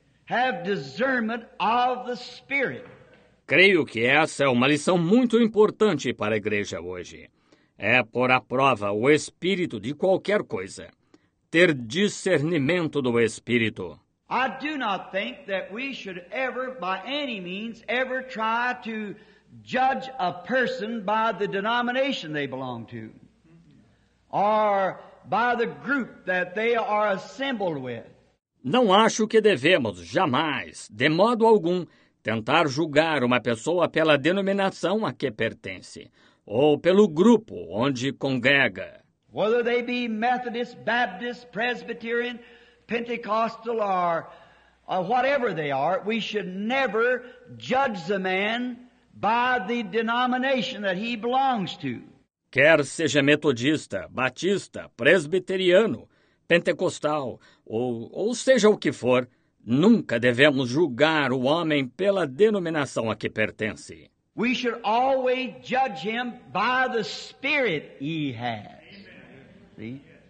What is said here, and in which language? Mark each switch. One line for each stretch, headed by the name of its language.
English: Have discernment of the spirit.
Portuguese: Creio que essa é uma lição muito importante para a igreja hoje. É pôr à prova o espírito de qualquer coisa. Ter discernimento do espírito.
English: I do not think that we should ever, by any means, ever try to judge a person by the denomination they belong to, or by the group that they are assembled with.
Portuguese: Não acho que devemos jamais, de modo algum, tentar julgar uma pessoa pela denominação a que pertence, ou pelo grupo onde congrega.
English: Whether they be Methodist, Baptist, Presbyterian, Pentecostal, or whatever they are, we should never judge the man by the denomination that he belongs to.
Portuguese: Quer seja metodista, batista, presbiteriano, pentecostal, ou seja o que for, nunca devemos julgar o homem pela denominação a que pertence.
English: We should always judge him by the spirit he has. See?